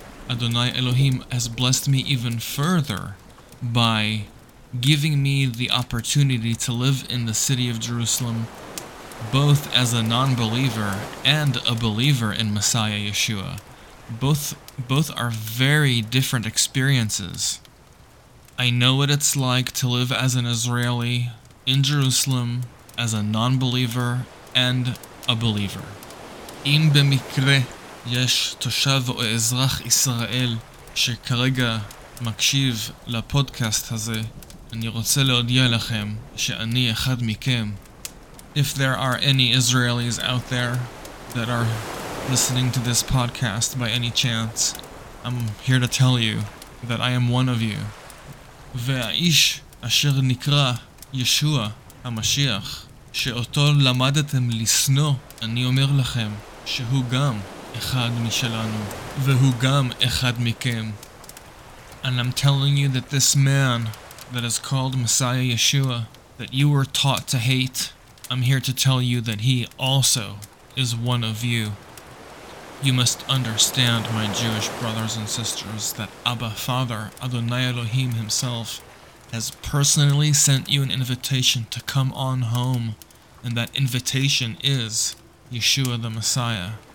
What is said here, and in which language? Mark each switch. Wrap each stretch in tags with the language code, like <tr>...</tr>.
<en>Adonai Elohim has blessed me even further by giving me the opportunity to live in the city of Jerusalem, both as a non-believer and a believer in Messiah Yeshua. Both are very different experiences. I know what it's like to live as an Israeli in Jerusalem, as a non-believer and a believer.</en> <he>אם במקרה יש תושב או אזרח ישראל שכרגע מקשיב לפודקאסט הזה, אני רוצה להודיע לכם שאני אחד מכם.</he> <en>If there are any Israelis out there that are listening to this podcast by any chance, I'm here to tell you that I am one of you.</en> <he>והאיש אשר נקרא ישוע המשיח, שאותו למדתם לסנוע, אני אומר לכם שהוא גם אחד משלנו, והוא גם אחד מכם.</he> <en>And I'm telling you that this man that is called Messiah Yeshua, that you were taught to hate, I'm here to tell you that he also is one of you. You must understand, my Jewish brothers and sisters, that Abba Father, Adonai Elohim himself, has personally sent you an invitation to come on home, and that invitation is Yeshua the Messiah.</en>